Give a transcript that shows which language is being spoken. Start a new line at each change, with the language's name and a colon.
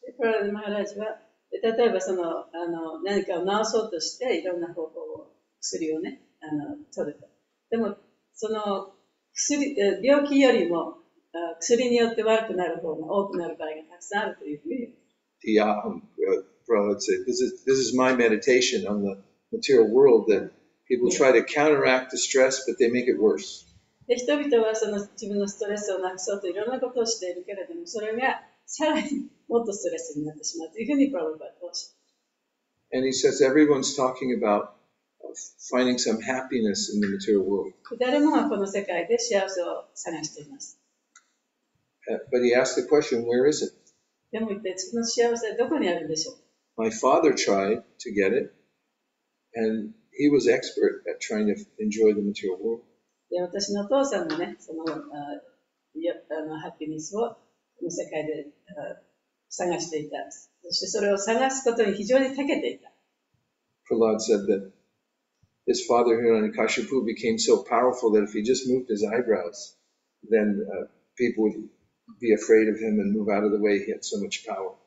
English: This is my meditation on the material world that people try to counteract the stress, but they make it worse.
Japanese: で人々はその自分のストレスをなくそうといろんなことをしているけれども、それがさらにもっとストレスになってしまうというふうにプラブパッドは。
English: And he says everyone's talking about finding some happiness in the material world.
Japanese: 誰もがこの世界で幸せを探しています。
English: But he asked the question, where is it?
Japanese: でも一体その幸せはどこにあるんでしょう?
English: My father tried to get it, and he was expert at trying to enjoy the material world.
Japanese: で私のお父さんもね、そのハッピネスをこの世界で探していた。そしてそれを探すことに非常に長けていた。
English: Prahlad said that his father Hiranyakashipu became so powerful that if he just moved his eyebrows, then people would be afraid of him and move out of the way. He had so much power.